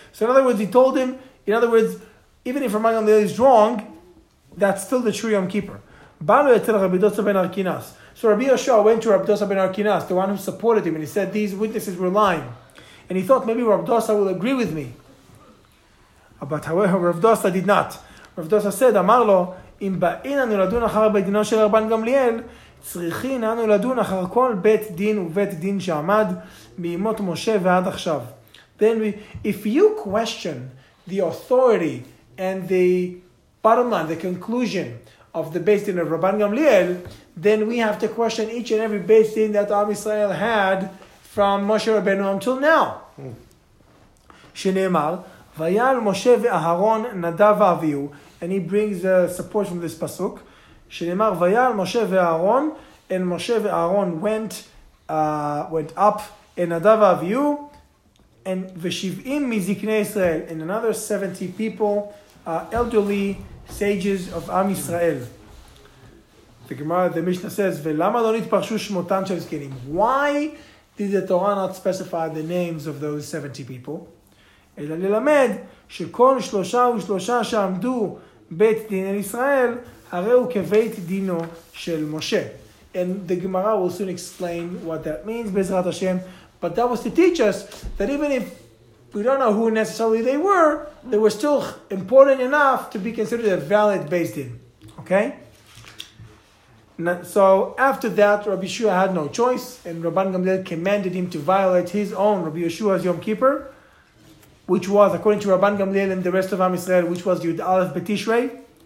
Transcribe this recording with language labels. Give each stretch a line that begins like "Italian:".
English: So in other words, he told him, in other words, even if Ramban is wrong, that's still the true Yom Kippur.
Hebrew: Balu etzel
English: Rabbi Dosa ben Arkinas. So Rabbi Yoshua went to Rabbi Dosa ben Arkinas, the one who supported him, and he said, these witnesses were lying. And he thought, maybe Rabbi Dosa will agree with me. But however, Rabbi Dosa did not.
Hebrew: Rabbi Dosa said, Amar lo, אם באין אנו לדון אחר בית דינו של רבן גמליאל, צריכין אנו לדון אחר כל בית דין ובית דין שעמד מימות משה ועד עכשיו.
English: Then we, if you question the authority and the bottom line, the conclusion of the Beis Din of רבן גמליאל, then we have to question each and every Beis Din that Am Yisrael had from משה רבנו until now.
Hebrew: שנאמר, ויעל משה ואהרון נדב ואביהו,
English: and he brings support from this pasuk.
Hebrew: Shenemar vayal Moshe ve'Aaron,
English: and Moshe ve'Aaron went up in Nadav Avihu, and
Hebrew: v'shivim mizikne Israel,
English: and another 70 people, elderly sages of Am Yisrael. The Gemara, the Mishnah says,
Hebrew: ve'lama lo nitparshu shmotan shel zkenim.
English: Why did the Torah not specify the names of those 70 people?
Hebrew: Ela lelamed shekol shlosha u'shlosha she'amdu בית דין אל ישראל, הרי הוא כבית דינו של משה.
English: And the Gemara will soon explain what that means, בעזרת השם. But that was to teach us that even if we don't know who necessarily they were still important enough to be considered a valid בית דין. Okay? So after that, Rabbi Yeshua had no choice, and Rabban Gamliel commanded him to violate his own, Rabbi Yeshua's Yom Kippur, which was, according to Rabban Gamliel and the rest of Am Yisrael, which was Yud Aleph Betishrei.